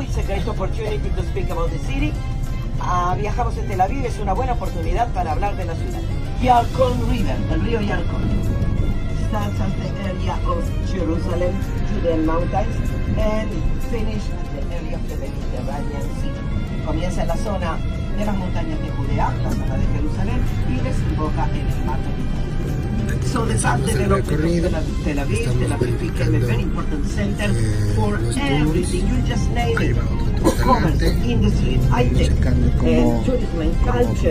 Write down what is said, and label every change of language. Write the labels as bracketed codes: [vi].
[en] It's a great opportunity to speak about the city. [es] Viajamos en Tel Aviv, es una buena oportunidad para hablar de la ciudad. Yarkon River, el río Yarkon. [en] Starts at the area of Jerusalem, Judean mountains, and finishes at the area of the Mediterranean Sea. [es] Comienza en la zona de las montañas de Judea, la zona de Jerusalén, y desemboca en el mar Mediterráneo. [en] So the fact that [es] el recorrido de Tel Aviv, de la Pipica, es un [en] very important center for everything. You just name it. Commerce, industry, IT, and tourism and culture.